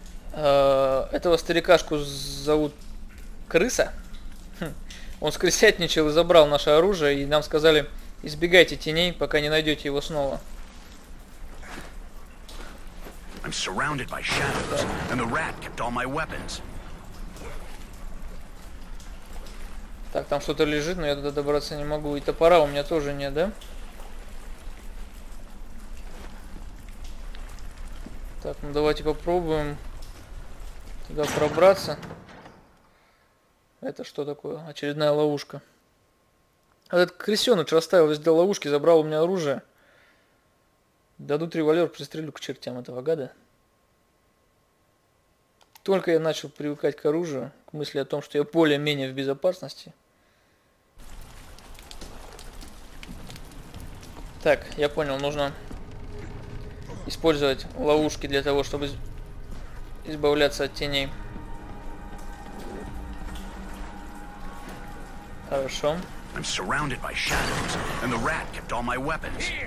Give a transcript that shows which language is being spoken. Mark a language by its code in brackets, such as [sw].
[ru] Этого старикашку зовут Крыса. Он скрысятничал и забрал наше оружие. И нам сказали, избегайте теней, пока не найдете его снова. [en] I'm surrounded by shadows, and the rat kept all my weapons. [ru] Так, там что-то лежит, но я туда добраться не могу. И топора у меня тоже нет, да? Так, ну давайте попробуем туда пробраться. Это что такое? Очередная ловушка. Этот крысёныч расставил везде ловушки, забрал у меня оружие. Дадут револьвер, пристрелю к чертям этого гада. Только я начал привыкать к оружию, к мысли о том, что я более-менее в безопасности. Так, я понял, нужно использовать ловушки для того, чтобы избавляться от теней. Хорошо. [en] I'm surrounded by shadows, and the rat kept all my weapons.